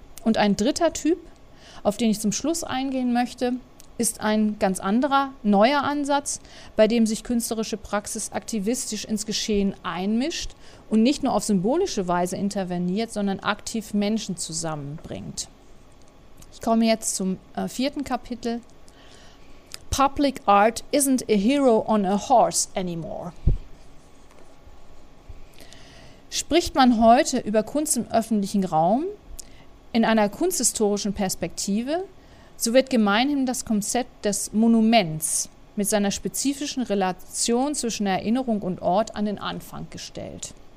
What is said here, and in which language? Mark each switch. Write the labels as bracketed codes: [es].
[de] Und ein dritter Typ, auf den ich zum Schluss eingehen möchte, ist ein ganz anderer, neuer Ansatz, bei dem sich künstlerische Praxis aktivistisch ins Geschehen einmischt und nicht nur auf symbolische Weise interveniert, sondern aktiv Menschen zusammenbringt. Ich komme jetzt zum vierten Kapitel. [en] Public Art isn't a hero on a horse anymore. [de] Spricht man heute über Kunst im öffentlichen Raum in einer kunsthistorischen Perspektive, so wird gemeinhin das Konzept des Monuments mit seiner spezifischen Relation zwischen Erinnerung und Ort an den Anfang gestellt.